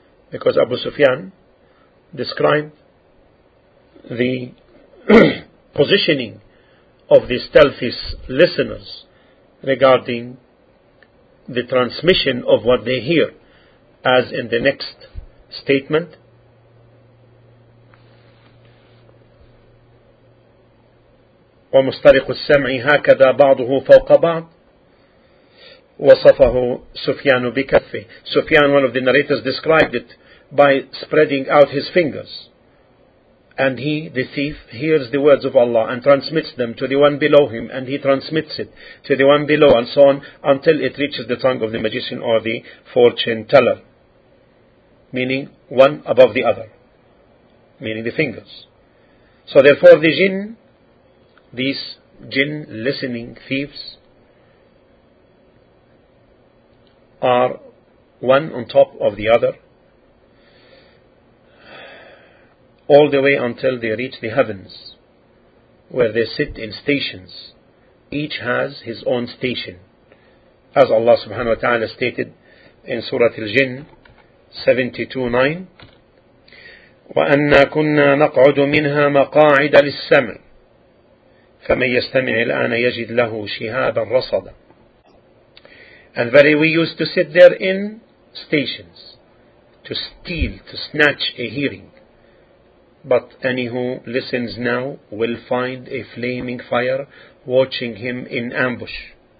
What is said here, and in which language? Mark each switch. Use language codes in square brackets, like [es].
[en] Because Abu Sufyan described the positioning of the stealthy listeners regarding the transmission of what they hear, as in the next statement. [ar] ومسترق السمع هكذا بعضه فوق بعض وصفه سفيان بكفه. [en] Sufyan, one of the narrators, described it by spreading out his fingers. And he, the thief, hears the words of Allah and transmits them to the one below him, and he transmits it to the one below, and so on, until it reaches the tongue of the magician or the fortune teller. Meaning, one above the other. Meaning the fingers. So therefore the jinn, these jinn listening thieves, are one on top of the other, all the way until they reach the heavens, where they sit in stations. Each has his own station. As Allah subhanahu wa ta'ala stated in Surah Al-Jinn 72:9, [ar] وَأَنَّا كُنَّا نَقْعُدُ مِنْهَا مَقَاعِدَ لِلسَّمْعِ فَمَنْ يَسْتَمِعِ الْآنَ يَجِدْ لَهُ شِهَابًا رَصَدًا. [en] And verily, we used to sit there in stations to steal, to snatch a hearing. But any who listens now will find a flaming fire watching him in ambush.